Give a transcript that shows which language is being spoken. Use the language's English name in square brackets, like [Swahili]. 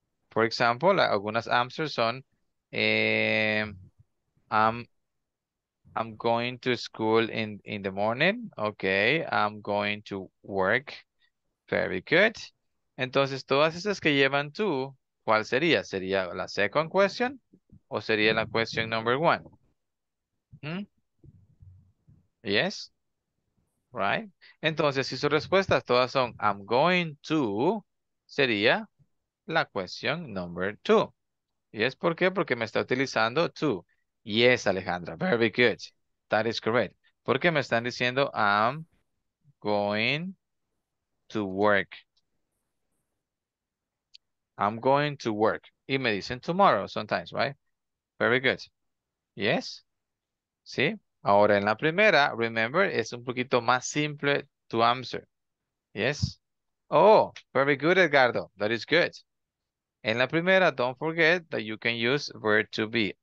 [English] For example, [Spanish] algunas [English] answers [Spanish] son, [English] I'm going to school in the morning. Okay, I'm going to work. Very good. [Spanish] Entonces, todas esas que llevan to, ¿cuál sería? ¿Sería la [English] second question? [Spanish] ¿O sería la [English] question number one? ¿Mm? Yes? Right? [Spanish] Entonces, si sus respuestas todas son [English] I'm going to, [Spanish] sería la [English] question number two. Yes, [Spanish] ¿por qué? Porque me está utilizando [English] to. Yes, Alejandra. Very good. That is correct. [Spanish] Porque me están diciendo [English] I'm going to work. I'm going to work. [Spanish] Y me dicen [English] tomorrow sometimes, right? Very good. Yes. [Spanish] Sí. Ahora en la primera, [English] remember, [Spanish] es un poquito más simple [English] to answer. Yes. Oh, very good, Edgardo. That is good. [Spanish] En la primera, [English] don't forget that you can use verb to be.